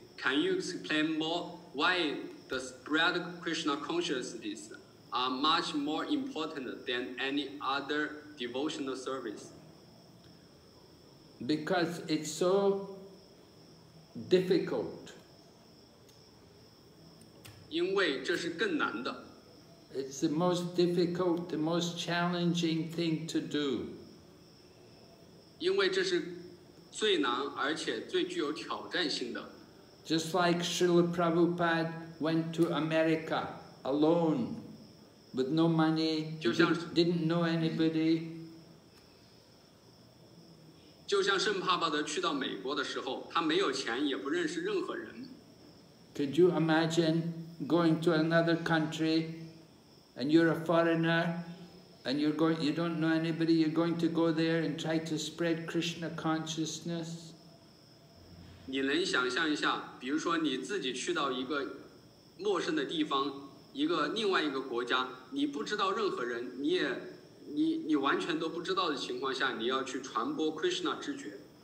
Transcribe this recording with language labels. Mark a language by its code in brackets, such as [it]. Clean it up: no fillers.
[en] Can you explain more why the spread Krishna consciousness are much more important than any other devotional service? Because it's so difficult. [zh] 因为这是更难的。 [en] It's the most difficult, the most challenging thing to do. [zh] 因为这是最难而且最具有挑战性的。 [en] Just like Srila Prabhupada went to America alone, with no money, [zh] 就像 [en] didn't know anybody. [zh] 就像圣帕巴德去到美国的时候，他没有钱，也不认识任何人。 [en] Could you imagine going to another country? And you're a foreigner, and you don't know anybody, you're going to go there and try to spread Krishna consciousness. [zh] 你能想象一下，比如说你自己去到一个陌生的地方，一个另外一个国家，你不知道任何人，你完全都不知道的情况下，你要去传播 Krishna 知觉。